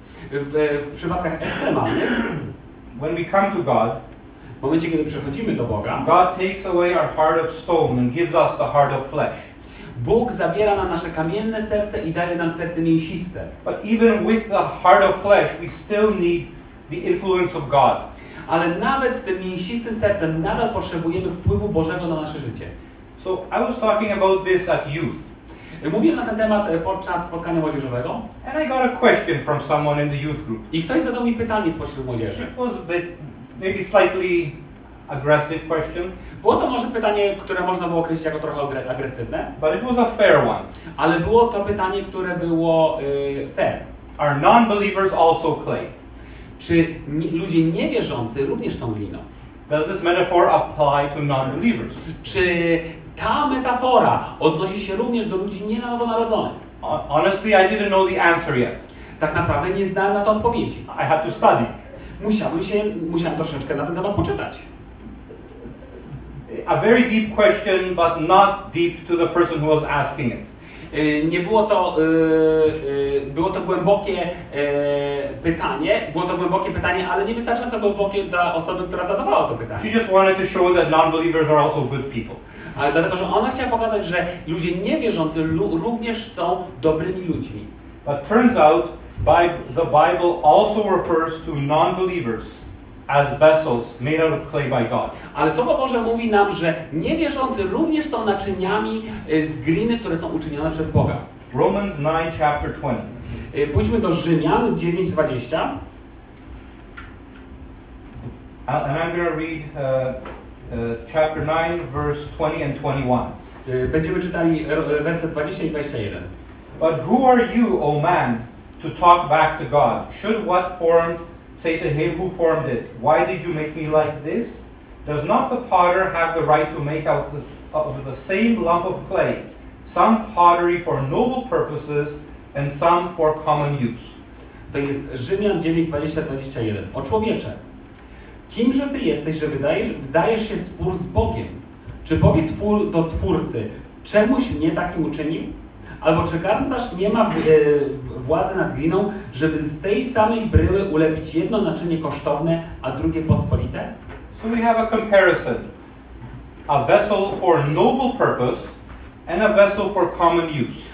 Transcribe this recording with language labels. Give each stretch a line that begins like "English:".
Polish: w przypadkach ekstremalnych,
English: when we come to God,
Polish: w momencie, kiedy przychodzimy do Boga,
English: God takes away our heart of stone and gives us the heart of flesh.
Polish: Bóg zabiera nam nasze kamienne serce i daje nam serce mięsiste.
English: But even with the heart of flesh, we still need the influence of God.
Polish: Ale nawet z tym mięsistym sercem nadal potrzebujemy wpływu Bożego na nasze życie.
English: So I was talking about this at youth.
Polish: Mówiłem na ten temat podczas spotkania młodzieżowego.
English: And I got a question from someone in the youth group.
Polish: I ktoś zadał mi pytanie spośród młodzieży.
English: It was a bit, maybe slightly aggressive question.
Polish: Było to może pytanie, które można było określić jako trochę agresywne.
English: But it was a fair one.
Polish: Ale było to pytanie, które było fair.
English: Are non-believers also clay?
Polish: Czy ludzie niewierzący również są gliną?
English: Does this metaphor apply to non-believers?
Polish: Czy ta metafora odnosi się również do ludzi nienowonarodzonych?
English: Honestly, I didn't know the answer yet.
Polish: Tak naprawdę nie znałem na to odpowiedzi.
English: I had to study.
Polish: Musiałem troszeczkę na ten temat poczytać.
English: A very deep question, but not deep to the person who was asking it.
Polish: nie było to, było to głębokie pytanie, było to głębokie pytanie, ale nie wystarczająco głębokie dla osoby, która zadawała to pytanie.
English: She just wanted to show that non-believers are also good people.
Polish: Ale dlatego, że ona chciała pokazać, że ludzie niewierzący również są dobrymi ludźmi.
English: But turns out, the Bible also refers to non-believers as vessels made out of clay by God.
Polish: Ale Słowo Boże mówi nam, że niewierzący również są naczyniami z gliny, które są uczynione przez Boga.
English: Romans 9, chapter 20.
Polish: Pójdźmy do Rzymian 9, 20.
English: And I'm going to read chapter 9, verse 20 and 21.
Polish: Będziemy czytali werset 20 i 21.
English: But who are you, O man, to talk back to God? Should what formed say to him who formed it, why did you make me like this? Does not the potter have the right to make out of the same lump of clay some pottery for noble purposes and some for common use?
Polish: To jest Rzymian 9, 20-21. O człowiecze, kimże ty jesteś, że wdajesz się w spór z Bogiem? Czy powie twór do twórcy, czemuś mnie takim uczynił? Albo czy garncarz nie ma władzy nad gliną, żeby z tej samej bryły ulepić jedno naczynie kosztowne, a drugie pospolite?
English: So we have a comparison. A vessel for noble purpose and a vessel for common use.